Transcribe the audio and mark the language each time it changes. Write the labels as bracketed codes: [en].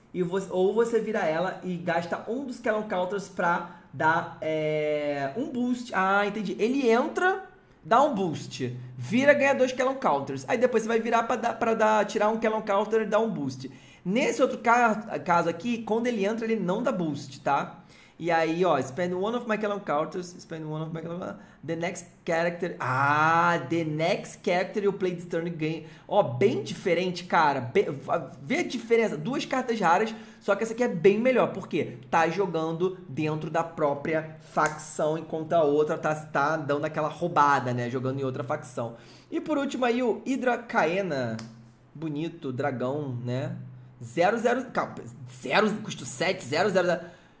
[pt] E você, ou você vira ela e gasta um dos Kellan Counters pra dar um boost. Ah, entendi. Ele entra, dá um boost. Vira, ganha 2 Kellan Counters. Aí depois você vai virar pra tirar um Kellan Counter e dar um boost. Nesse outro caso aqui, quando ele entra, ele não dá boost, tá? E aí, ó, [en] spend one of my Kellan Counters. Spend one of my Kellan Counters. The next character. Ah, the next character you play this turn gain. [pt] Ó, bem diferente, cara. Vê a diferença. Duas cartas raras, só que essa aqui é bem melhor. Por quê? Tá jogando dentro da própria facção, enquanto a outra tá dando aquela roubada, né? Jogando em outra facção. E por último aí, o Hydra Kaena. Bonito, dragão, né? 00. Calma, 0 custo 7, 00.